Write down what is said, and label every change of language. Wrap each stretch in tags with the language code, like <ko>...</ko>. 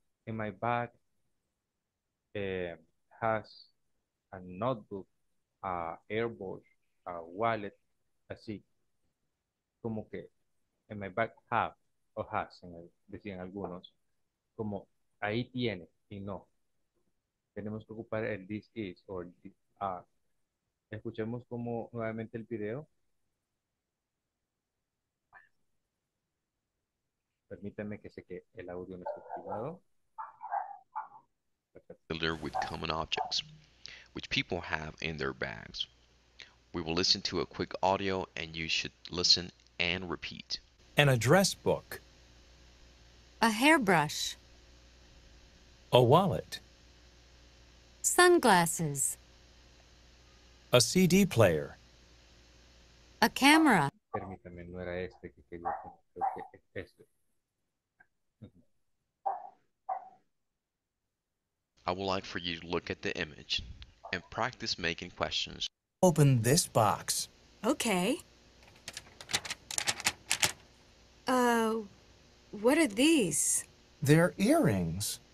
<en>In my bag has a notebook, a airbrush, a wallet,</en> <es>así, como que,</es> <en>in my bag have, o has,</en> <es>decían algunos, como, ahí tiene, y no, tenemos que ocupar el</es> <en>this is, o el this are.</en> <es>Escuchemos como nuevamente el video. Permítanme que seque el audio, no está activado.</es> <en>With common objects, which people have in their bags. We will listen to a quick audio and you should listen and repeat. An address book. A hairbrush. A wallet. Sunglasses. A CD player. A camera.</en> <es>Permítame, no era este que quería poner, que este.</es> <en>I would like for you to look at the image and practice making questions. Open this box. Okay. What are these? They're earrings.</en>